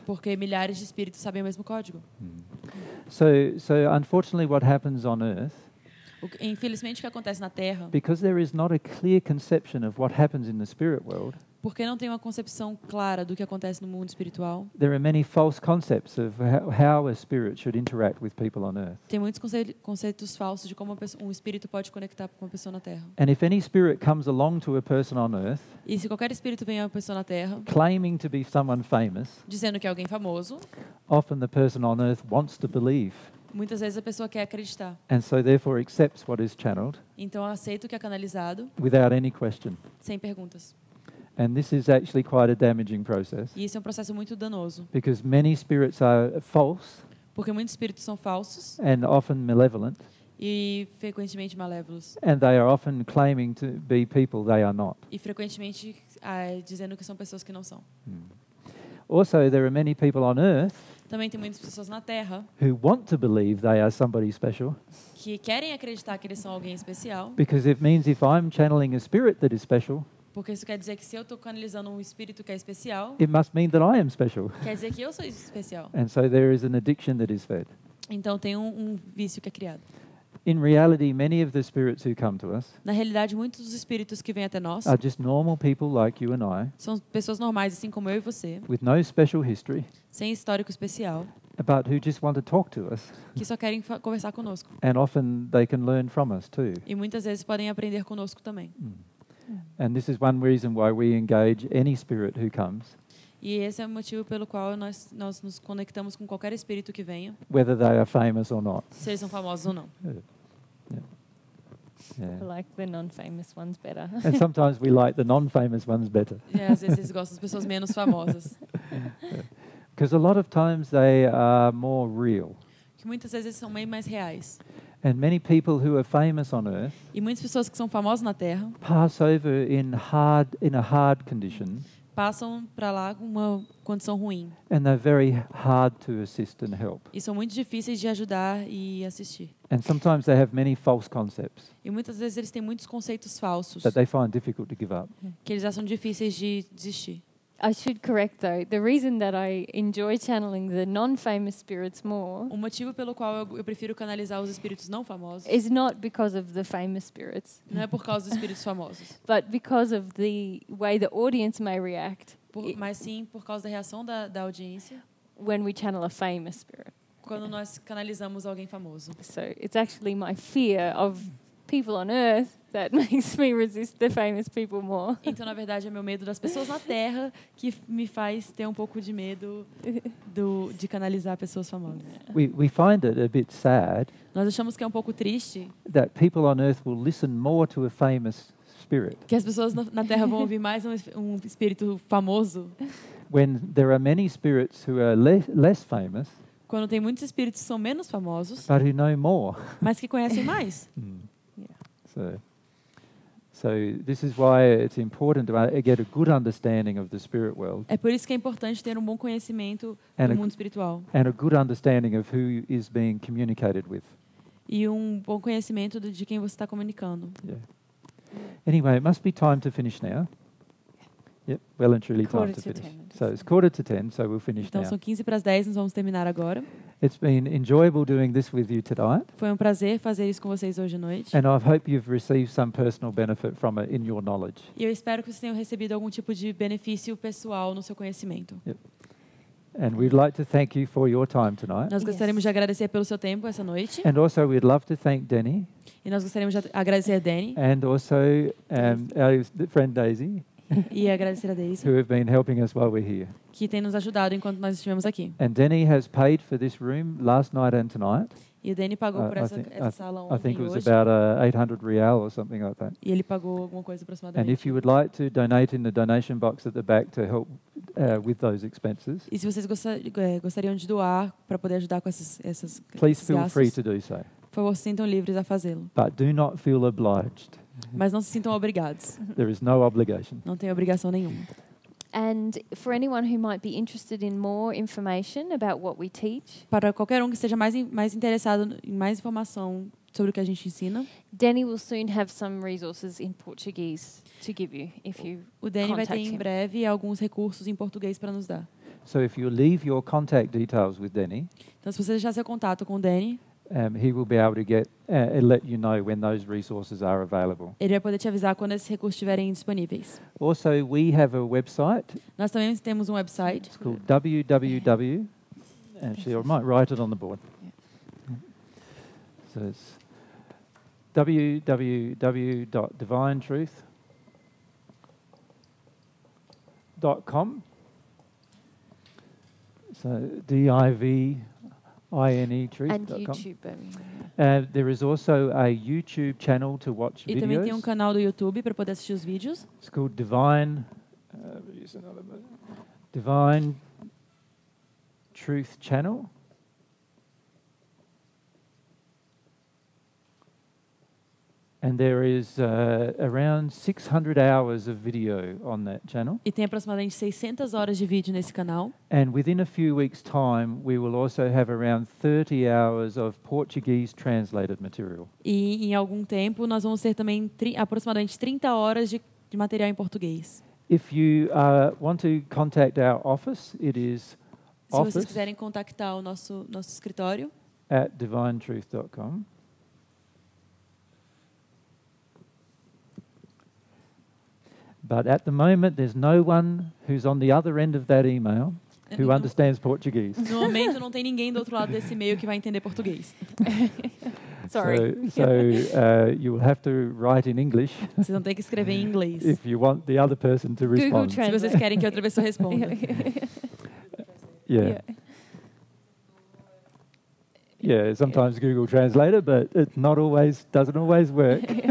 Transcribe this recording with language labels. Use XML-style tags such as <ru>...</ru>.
<pt>Porque milhares de espíritos sabem o mesmo código.</pt> <en>So unfortunately what happens on earth,</en> <pt>infelizmente o que acontece na Terra,</pt> <en>because there is not a clear conception of what happens in the spirit world,</en> <pt>porque não tem uma concepção clara do que acontece no mundo espiritual,</pt> <en>there are many false concepts of how a spirit should interact with people on earth.</en> <pt>Tem muitos conceitos falsos de como um espírito pode conectar com uma pessoa na Terra.</pt> <en>And if any spirit comes along to a person on earth,</en> <pt>e se qualquer espírito vem a uma pessoa na Terra,</pt> <en>claiming to be someone famous,</en> <pt>dizendo que é alguém famoso,</pt> <en>often the person on earth wants to believe.</en> <pt>Muitas vezes a pessoa quer acreditar.</pt> <en>And so therefore accepts what is channeled.</en> <pt>Então aceita o que é canalizado.</pt> <en>Without any question.</en> <pt>Sem perguntas.</pt> <en>And this is actually quite a damaging process.</en> <pt>E isso é um processo muito danoso.</pt> <en>Because many spirits are false.</en> <pt>Porque muitos espíritos são falsos.</pt> <en>And often malevolent.</en> <pt>E frequentemente malévolos.</pt> <en>And they are often claiming to be people they are not.</en> <pt>E frequentemente dizendo que são pessoas que não são.</pt> <en>Also there are many people on earth.</en> <pt>Também tem muitas pessoas na Terra.</pt> <en>Who want to believe they are somebody special.</en> <pt>Que querem acreditar que eles são alguém especial.</pt> <en>Because it means if I'm channeling a spirit that is special.</en> <pt>Porque isso quer dizer que se eu estou canalizando espírito que é especial,</pt> <en>it must mean that I am special.</en> <pt>Quer dizer que eu sou especial.</pt> <en>And so there is an addiction that is fed.</en> <pt>Então tem um vício que é criado.</pt> <en>In reality, many of the spirits who come to us,</en> <pt>na realidade, muitos dos espíritos que vêm até nós,</pt> <en>are just normal people like you and I,</en> <pt>são pessoas normais assim como eu e você,</pt> <en>with no special history,</en> <pt>sem histórico especial,</pt> <en>about who just want to talk to us,</en> <pt>que só querem conversar conosco.</pt> <en>And often they can learn from us too.</en> <pt>E muitas vezes podem aprender conosco também.</pt> <en>And this is one reason why we engage any spirit who comes.</en> <pt>E esse é o motivo pelo qual nós nos conectamos com qualquer espírito que venha.</pt> <en>Whether they are famous or not.</en> <pt>Se eles são famosos ou não.</pt> <en>Yeah. I like the non-famous ones better. And sometimes we like the non-famous ones better.</en> <pt>Yeah, às vezes gosto das pessoas menos famosas.</pt> <en>Because a lot of times they are more real.</en> <pt>Que muitas vezes são meio mais reais.</pt> <en>And many people who are famous on earth,</en> <pt>e muitas pessoas que são famosas na Terra,</pt> <en>pass over in a hard condition,</en> <pt>passam para lá com uma condição ruim,</pt> <en>and they're very hard to assist and help,</en> <pt>e são muito difíceis de ajudar e assistir,</pt> <en>and sometimes they have many false concepts,</en> <pt>e muitas vezes eles têm muitos conceitos falsos,</pt> <en>that they find difficult to give up,</en> <pt>que eles acham difíceis de desistir.</pt> <en>I should correct though. The reason that I enjoy channeling the non-famous spirits more.</en> <pt>O motivo pelo qual eu prefiro canalizar os espíritos não famosos.</pt> <en>Is not because of the famous spirits.</en> <pt>Não é por causa dos espíritos famosos.</pt> <en>But because of the way the audience may react.</en> <pt>Mas sim por causa da reação da audiência.</pt> <en>When we channel a famous spirit.</en> <pt>Quando nós canalizamos alguém famoso.</pt> <en>So it's actually my fear of people on earth that makes me resist the famous people more.</en> <pt>Então, na verdade, é meu medo das pessoas na Terra que me faz ter um pouco de medo de canalizar pessoas famosas.</pt> <en>We find it a bit sad.</en> <pt>Nós achamos que é um pouco triste.</pt> <en>That people on earth will listen more to a famous spirit.</en> <pt>Que as pessoas na Terra vão ouvir mais um espírito famoso.</pt> <en>When there are many spirits who are less famous.</en> <pt>Quando tem muitos espíritos que são menos famosos.</pt> <en>But who know more.</en> <pt>Mas que conhecem mais.</pt> <en>So this is why it's important to get a good understanding of the spirit world.</en> <pt>É por isso que é importante ter um bom conhecimento do mundo espiritual.</pt> <en>And a good understanding of who is being communicated with.</en> <pt>E um bom conhecimento de quem você está comunicando.</pt> <en>Yeah. Anyway, it must be time to finish now. Yep, well and truly quarter time to finish. Ten, so it's quarter to ten, so we'll finish</en> <pt>então,</pt> <en>now.</en> <pt>São 15 para as 10, nós vamos terminar agora.</pt> <en>It's been enjoyable doing this with you tonight.</en> <pt>Foi um prazer fazer isso com vocês hoje à noite.</pt> <en>And I hope you've received some personal benefit from it in your knowledge.</en> <pt>E eu espero que vocês tenham recebido algum tipo de benefício pessoal no seu conhecimento.</pt> <en>Yep. And we'd like to thank you for your time tonight.</en> <pt>Nós gostaríamos de agradecer pelo seu tempo essa noite.</pt> <en>And also we'd love to thank Denny.</en> <pt>E nós gostaríamos de agradecer a Denny.</pt> <en>And also our friend Daisy.</en> <pt>E agradecer a Daisy.</pt> <en>Who have been helping us while we're here.</en> <pt>Que tem nos ajudado enquanto nós estivemos aqui.</pt> <en>And Denny has paid for this room last night and tonight.</en> <pt>E o Denny pagou por essa sala ontem e hoje.</pt> <en>I think it was about 800 real or something like that.</en> <pt>E ele pagou alguma coisa aproximadamente.</pt> <en>And if you would like to donate in the donation box at the back to help with those expenses.</en> <pt>E se vocês gostariam de doar para poder ajudar com essas</pt> <en>please feel</en> <pt>gastos,</pt> <en>free to do so.</en> <pt>Por favor, sintam livres a fazê-lo.</pt> <en>But do not feel obliged.</en> <pt>Mas não se sintam obrigados.</pt> <en>There is no obligation.</en> <pt>Não tem obrigação nenhuma.</pt> <en>And for anyone who might be interested in more information about what we teach.</en> <pt>Para qualquer que esteja mais interessado em mais informação sobre o que a gente ensina.</pt> <en>Danny will soon have some resources in Portuguese to give you if you</en> <pt>O Danny vai ter</pt> <en>him.</en> <pt>Em breve alguns recursos em português para nos dar.</pt> <en>So if you leave your contact details with Danny.</en> <pt>Então se você deixar seu contato com o Danny,</pt> <en>He will be able to get and let you know when those resources are available.</en> <pt>Ele vai poder te avisar quando esses recursos estiverem disponíveis.</pt> <en>Also, we have a website.</en> <pt>Nós também temos website.</pt> <en>It's called www. Actually, I might write it on the board. So it's www.divinetruth.com. So divinetruth.com. And there is also a YouTube channel to watch videos.</en> <pt>E também tem canal do YouTube para poder assistir os vídeos.</pt> <en>It's called Divine Truth Channel. And there is around 600 hours of video on that channel.</en> <pt>E tem aproximadamente 600 horas de vídeo nesse canal.</pt> <en>And within a few weeks' time, we will also have around 30 hours of Portuguese translated material.</en> <pt>E em algum tempo, nós vamos ter também aproximadamente 30 horas de material em português.</pt> <en>If you want to contact our office, it is office.</en> <pt>Se vocês quiserem contactar o nosso escritório.</pt> <en>@divinetruth.com. But at the moment, there's no one who's on the other end of that email who understands Portuguese.</en> <pt>No momento, não tem ninguém do outro lado desse e-mail que vai entender português.</pt> <en>Sorry. So you will have to write in English.</en> <pt>Vocês vão ter que escrever em inglês.</pt> <en>If you want the other person to respond. Google Translate.</en> <pt>Se vocês querem que outra pessoa responda.</pt> <en>Yeah. Yeah, sometimes Google Translator, but it doesn't always work.</en>